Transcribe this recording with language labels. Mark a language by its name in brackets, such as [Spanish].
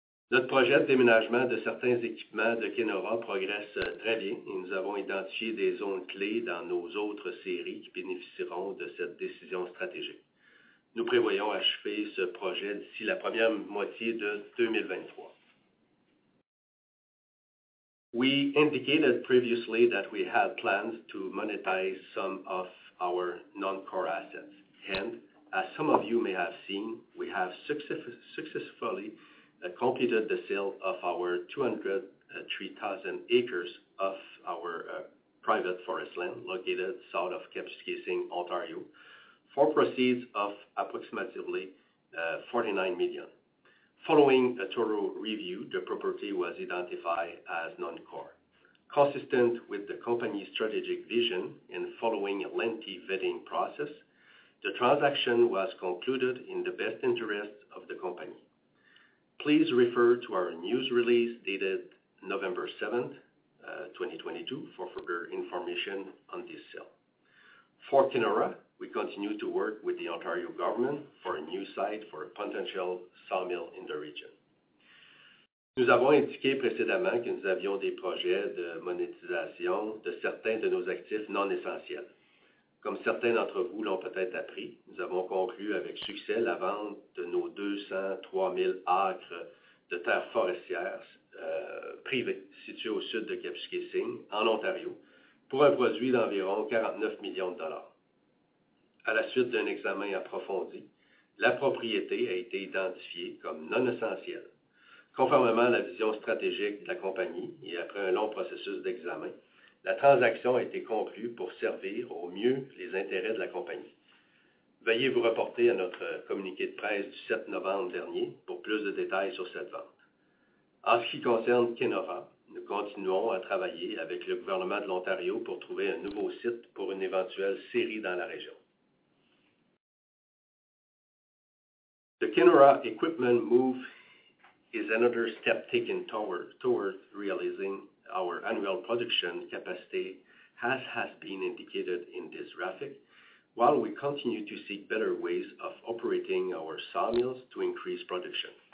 [French] Notre projet de déménagement de certains équipements de Kenora progresse très bien et nous avons identifié des zones clés dans nos autres séries qui bénéficieront de cette décision stratégique. Nous prévoyons achever ce projet d'ici la première moitié de 2023. [English] We indicated previously that we had plans to monetize some of our non-core assets. And as some of you may have seen, we have successfully completed the sale of our 203,000 acres of our private forest land located south of Kapuskasing, Ontario, for proceeds of approximately $49 million. Following a thorough review, the property was identified as non-core. Consistent with the company's strategic vision and following a lengthy vetting process, the transaction was concluded in the best interest of the company. Please refer to our news release dated November 7, 2022 for further information on this sale. For Kenora, we continue to work with the Ontario government for a new site for a potential sawmill in the region. [French] Nous avons indiqué précédemment que nous avions des projets de monétisation de certains de nos actifs non essentiels. Comme certains d'entre vous l'ont peut-être appris, nous avons conclu avec succès la vente de nos 203 000 acres de terres forestières privées situées au sud de Kapuskasing, en Ontario, pour un produit d'environ 49 millions de dollars. À la suite d'un examen approfondi, la propriété a été identifiée comme non essentielle. Conformément à la vision stratégique de la compagnie et après un long processus d'examen, la transaction a été conclue pour servir au mieux les intérêts de la compagnie. Veuillez vous reporter à notre communiqué de presse du 7 novembre dernier pour plus de détails sur cette vente. En ce qui concerne Kenora, nous continuons à travailler avec le gouvernement de l'Ontario pour trouver un nouveau site pour une éventuelle série dans la région. [English] The Kenora Equipment Move is another step taken toward realizing our annual production capacity, as has been indicated in this graphic, while we continue to seek better ways of operating our sawmills to increase production.